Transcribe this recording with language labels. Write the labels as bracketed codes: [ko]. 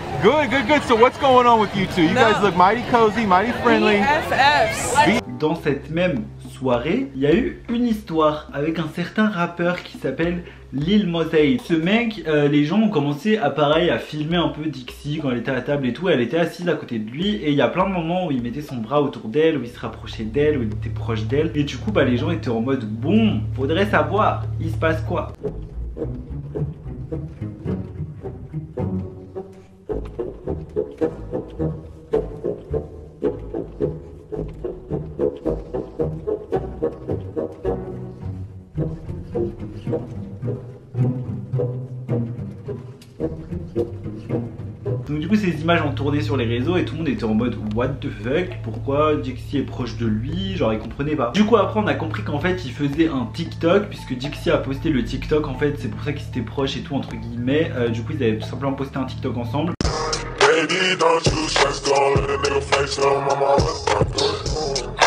[en] good, good, good. So what's going on with you two? You guys look mighty cozy, mighty friendly. BFFs. [fr] dans cette même soirée, il y a eu une histoire avec un certain rappeur qui s'appelle Lil Mosey. Ce mec, les gens ont commencé à pareil à filmer un peu Dixie quand elle était à table et tout. Elle était assise à côté de lui et il y a plein de moments où il mettait son bras autour d'elle, où il se rapprochait d'elle, où il était proche d'elle. Et du coup, bah, les gens étaient en mode bon, faudrait savoir, il se passe quoi. Donc du coup ces images ont tourné sur les réseaux et tout le monde était en mode [en] what the fuck, [fr] pourquoi Dixie est proche de lui, genre il comprenait pas. Du coup après on a compris qu'en fait il faisait un TikTok, puisque Dixie a posté le TikTok en fait, c'est pour ça qu'ils étaient proches et tout entre guillemets. Du coup ils avaient tout simplement posté un TikTok ensemble. [en] Baby, don't you stress, don't let a nigga flex, no mama, let's talk to it.